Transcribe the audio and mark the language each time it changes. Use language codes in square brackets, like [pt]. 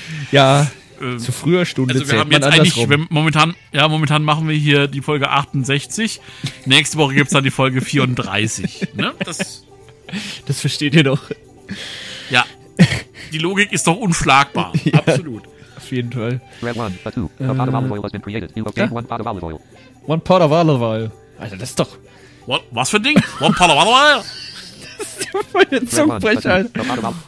[de] Ja, zu früher Stunde zählt man andersrum. Also wir haben jetzt eigentlich, momentan machen wir hier die Folge 68. Nächste Woche gibt es dann die Folge 34. Ne? Das versteht ihr doch. Ja, die Logik ist doch unschlagbar. Ja, absolut. Auf jeden Fall. [en] Red one, but two. A pot of olive oil has been created. You have one pot of olive oil. One pot of olive oil. [de] Alter, das ist doch. [en] What? [de] Was für ein Ding? [en] One pot of olive oil? [de] Das ist doch voll der Zungenbrecher, Alter.